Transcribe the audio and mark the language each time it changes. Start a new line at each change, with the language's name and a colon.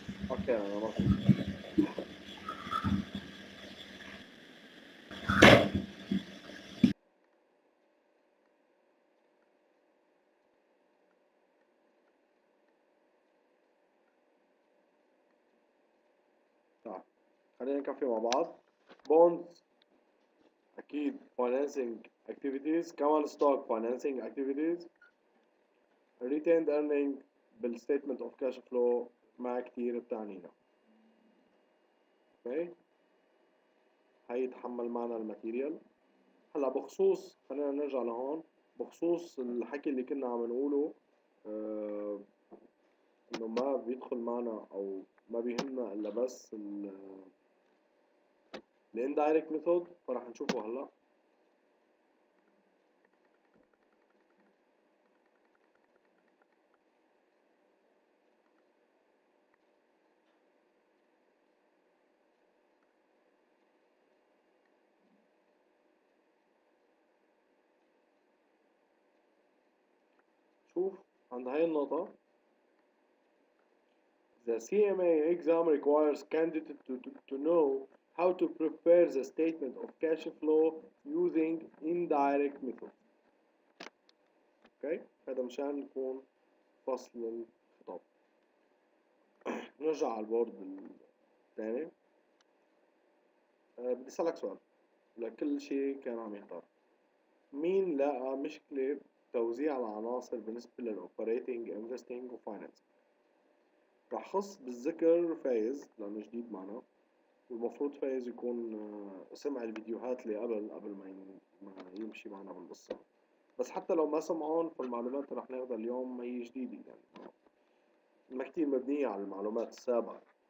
Arabic: أوكي أنا ما خلينا نكفي مع بعض.
English: bonds
Arabic: اكيد
English: financing activities، common stock financing activities، retained earning بال statement of cash flow
Arabic: ما كتير بتعنينا. اوكي هي تحمل معنا الماتيريال. هلا بخصوص خلينا نرجع لهون، بخصوص الحكي اللي كنا عم نقوله انه ما بيدخل معنا او ما بيهمنا الا بس ال الindirect method، فراح نشوفه هلا. شوف عند هاي النقطة
English: The CMA exam requires candidate to know how to prepare the statement of cash flow using indirect methods.
Arabic: Okay, هذا مشان نكون فصل الخطاب. نرجع على البورد الثاني. بدي اسألك سؤال لكل شيء كان عم يحضر. مين لقى مشكلة توزيع العناصر بالنسبة لل operating, investing و financing؟ رح خص بالذكر فايز لأنه جديد معنا، والمفروض فايز يكون سمع الفيديوهات اللي قبل ما يمشي معنا بالقصة، بس حتى لو ما سمعون فالمعلومات رح ناخذها اليوم هي جديدة يعني ما كتير مبنية على المعلومات السابقة.